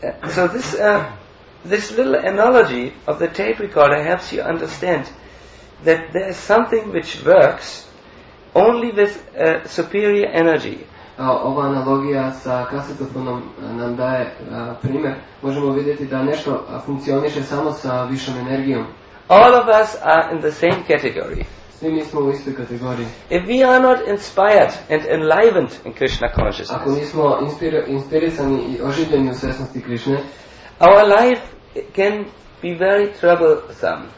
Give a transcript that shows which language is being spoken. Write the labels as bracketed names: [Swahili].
[English] So this little analogy of the tape recorder helps you understand that there is something which works only with superior energy. [Serbian] Ova analogija sa kasetofonom nam daje primjer. Možemo vidjeti da nešto funkcioniše samo sa višom energijom. [English] All of us are in the same category. [Serbian] Svi mi smo u istoj kategoriji. [English] If we are not inspired and enlivened in Krishna consciousness, [Serbian] ako nismo inspirisani i oživljeni u svjesnosti Krishne, [English] our life can be very troublesome.